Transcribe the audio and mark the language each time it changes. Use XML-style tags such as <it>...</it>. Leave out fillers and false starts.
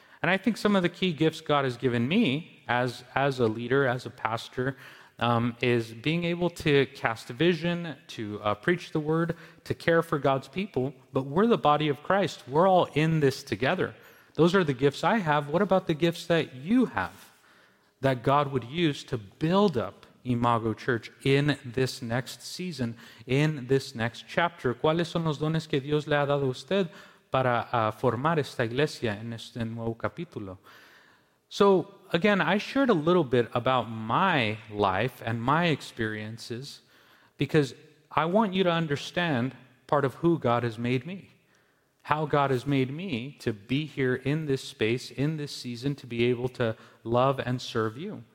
<en>And I think some of the key gifts God has given me as a leader, as a pastor, is being able to cast a vision, to preach the word, to care for God's people. But we're the body of Christ. We're all in this together. Those are the gifts I have. What about the gifts that you have that God would use to build up Imago Church in this next season, in this next chapter?</en> <es>¿Cuáles son los dones que Dios le ha dado a usted para formar esta iglesia en este nuevo capítulo?</es> <en>So again, I shared a little bit about my life and my experiences because I want you to understand part of who God has made me, how God has made me to be here in this space, in this season, to be able to love and serve you.</en>